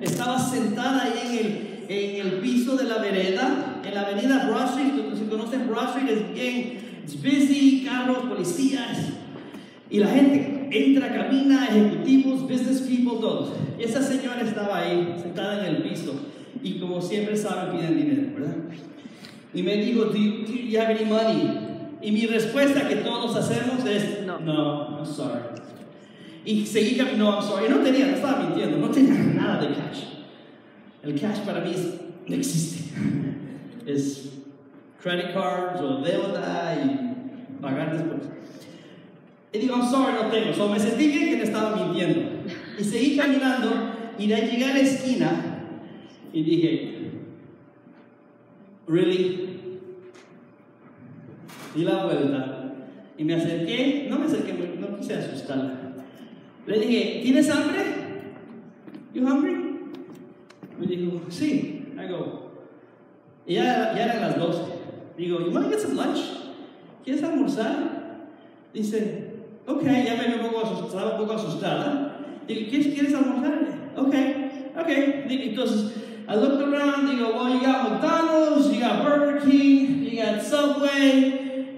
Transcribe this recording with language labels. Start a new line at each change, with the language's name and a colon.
Spanish: Estaba sentada ahí en el piso de la vereda, en la avenida Broadway. Si conocen Broadway, es bien.
English: It's busy,
Spanish: carros, policías. Y la gente entra, camina, ejecutivos,
English: business people,
Spanish: todos. Esa señora estaba ahí, sentada en el piso. Y como siempre saben, piden dinero, ¿verdad?
English: Y me dijo, do you have any money?
Spanish: Y mi respuesta que todos hacemos es, no,
English: I'm sorry.
Spanish: Y seguí caminando, I'm sorry. Y no tenía, no estaba mintiendo, no tenía nada de cash. El cash para mí no existe. Es credit cards o deuda y pagar después. Y digo,
English: I'm sorry,
Spanish: no tengo. So me sentí bien que me estaba mintiendo. Y seguí caminando y de ahí llegué a la esquina y dije, really? Di la vuelta. Y me acerqué, no me acerqué, no quise asustarla. Le dije, ¿tienes hambre?
English: You hungry?
Spanish: Me dijo, sí.
English: I go.
Spanish: Y ya eran las 12.
English: Digo, you want to get some lunch?
Spanish: ¿Quieres almorzar? Dice, ok, ya me veo un poco asustada. Digo, ¿quieres almorzar? Ok.
English: Entonces, I looked around, digo, well, you got McDonald's, you got Burger King, you got Subway.